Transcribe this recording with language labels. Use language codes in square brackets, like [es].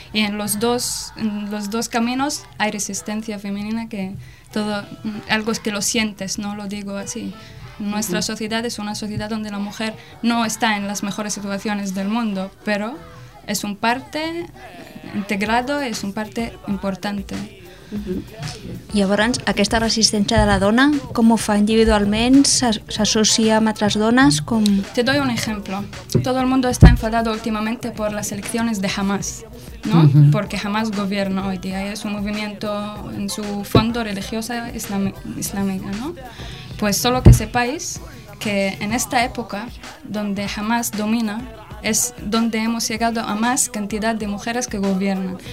[es] Y en los dos caminos hay resistencia femenina, que todo, algo es que lo sientes, no lo digo así. Nuestra uh-huh. sociedad es una sociedad donde la mujer no está en las mejores situaciones del mundo, pero es un parte integrado, es un parte importante. Uh-huh. [ca] Llavors, aquesta resistència de la dona, com ho fa individualment? S'associa amb altres dones? Com... [es] Te doy un ejemplo. Todo el mundo está enfadado últimamente por las elecciones de Hamas, ¿no? Uh-huh. Porque Hamas gobierna hoy día y es un movimiento en su fondo religiosa islámica, ¿no? Pues solo que sepáis que en esta época donde Hamas domina, es donde hemos llegado a más cantidad de mujeres que gobiernan.